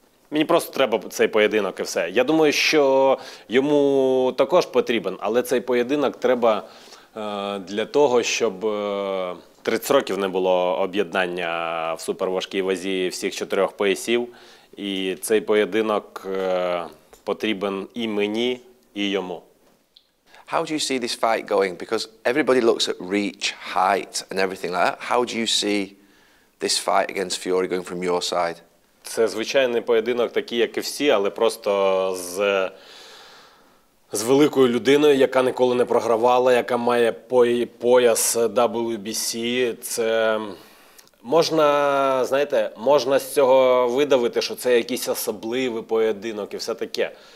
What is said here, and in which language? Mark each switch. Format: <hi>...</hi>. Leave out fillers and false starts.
<uk>Мені просто треба цей поєдинок і все. Я думаю, що йому також потрібен, але цей поєдинок треба для того, щоб 30 років не було об'єднання в суперважкій вазі всіх чотирьох поясів. І цей поєдинок потрібен і мені, і йому.</uk> <en>How do you see this fight going? Because everybody looks at reach, height and everything like that. How do you see this fight against Fury going from your side?</en> <uk>Це звичайний поєдинок, такий, як і всі, але просто з великою людиною, яка ніколи не програвала, яка має пояс WBC. Це можна з цього видавити, що це якийсь особливий поєдинок і все таке.</uk>